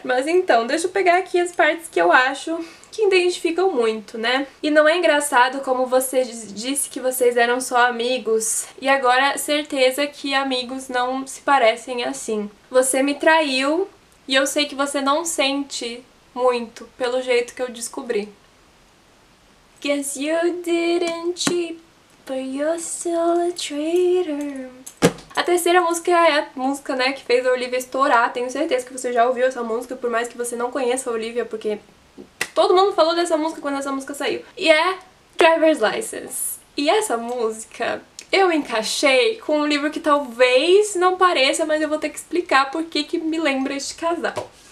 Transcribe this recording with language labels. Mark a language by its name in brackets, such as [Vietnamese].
[Portuguese] Mas então, deixa eu pegar aqui as partes que eu acho que identificam muito, né? E não é engraçado como você disse que vocês eram só amigos, e agora certeza que amigos não se parecem assim. Você me traiu, e eu sei que você não sente muito pelo jeito que eu descobri. [English] Guess you didn't cheat, but you're still a traitor. [Portuguese] A terceira música é a música, né, que fez a Olivia estourar. Tenho certeza que você já ouviu essa música, por mais que você não conheça a Olivia, porque todo mundo falou dessa música quando essa música saiu. E é Driver's License. E essa música eu encaixei com um livro que talvez não pareça, mas eu vou ter que explicar por que que me lembra este casal.